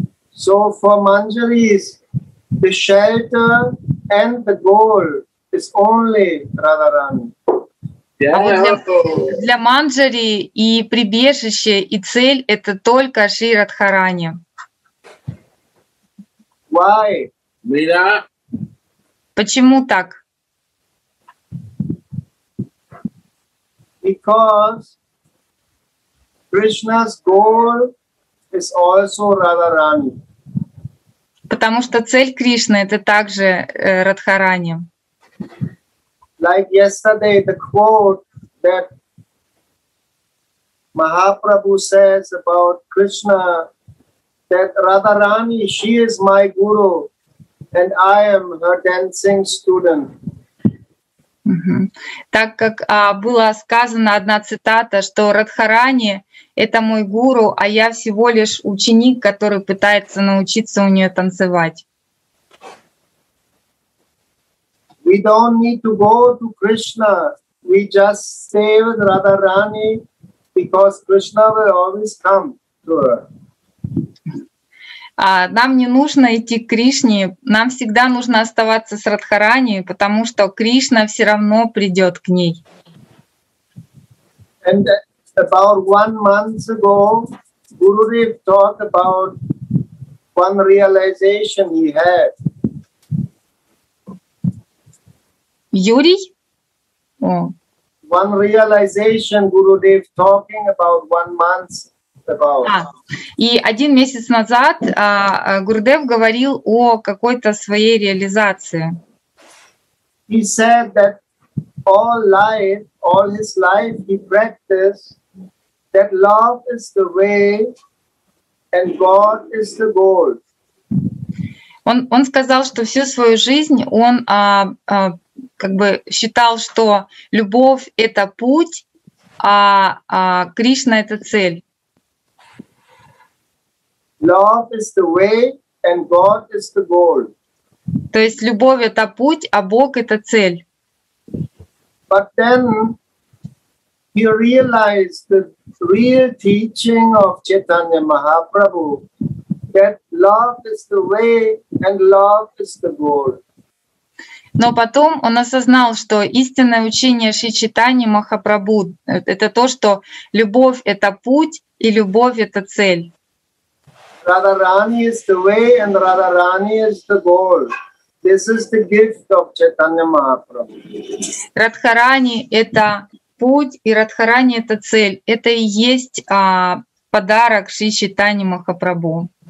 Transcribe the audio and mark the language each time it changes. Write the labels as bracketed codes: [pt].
[en] So for Manjaris, the shelter and the goal is only Radharani. Yeah. [ru] А вот для Манджари и прибежище, и цель — это только Шри Радхарани. [en] Why? [ru] Мира? Почему так? [en] Because Krishna's goal is also Radharani. [ru] Потому что цель Кришны — это также Радхарани. [en] Like yesterday, the quote that Mahaprabhu says about Krishna, that Radharani, she is my guru, and I am her dancing student. [ru] Так как была сказана одна цитата, что Радхарани — это мой гуру, а я всего лишь ученик, который пытается научиться у нее танцевать. [en] We don't need to go to Krishna. We just stay with Radharani because Krishna will always come to her. [ru] Нам не нужно идти к Кришне, нам всегда нужно оставаться с Радхарани, потому что Кришна все равно придет к ней. [en] And about 1 month ago, Gurudev talked about one realization he had. [ru] Юрий? [en] One realization Gurudev talking about 1 month. [ru] И один месяц назад Гурдев говорил о какой-то своей реализации. [en] He said that all his life he practiced that love is the way and God is the goal. [ru] Он сказал, что всю свою жизнь он как бы считал, что любовь — это путь, а Кришна — это цель. [en] Love is the way, and God is the goal. [ru] То есть любовь — это путь, а Бог — это цель. [en] But then he realized the real teaching of Chaitanya Mahaprabhu that love is the way and love is the goal. [ru] Но потом он осознал, что истинное учение Шри Чайтаньи Махапрабху — это то, что любовь — это путь и любовь — это цель. [en] Radharani is the way and Radharani is the goal. This is the gift of Chaitanya Mahaprabhu. [ru] Радхарани — это путь, и Радхарани — это цель. Это и есть подарок Шри Чайтаньи Махапрабху.